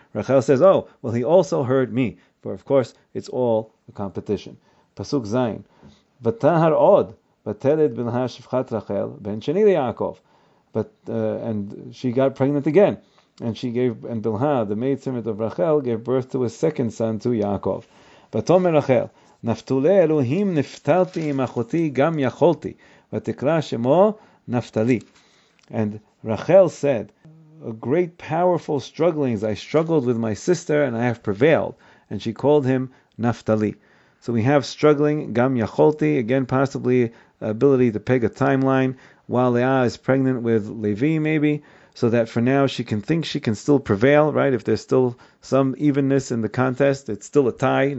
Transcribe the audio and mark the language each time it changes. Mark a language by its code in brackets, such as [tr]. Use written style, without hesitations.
[en] Rachel says, oh, well, he also heard me. For of course, it's all a competition. Pasuk Zayin. [he] V'tahar od, v'teled Bilhah shifchat Rachel, ben sheni Yaakov. [en] And she got pregnant again. And she gave, and Bilhah, the maidservant of Rachel, gave birth to a second son to Yaakov. [he] ותאמר רחל, נפתולי אלוהים נפתלתי עם אחותי גם יכולתי, ותקרא שמו נפתלי. [en] And Rachel said, a great powerful strugglings, I struggled with my sister and I have prevailed. And she called him Naphtali. So we have struggling, [he] גם יכולתי, [en] again possibly ability to peg a timeline, while Leah is pregnant with Levi maybe, so that for now she can think she can still prevail, right? If there's still some evenness in the contest, it's still a tie.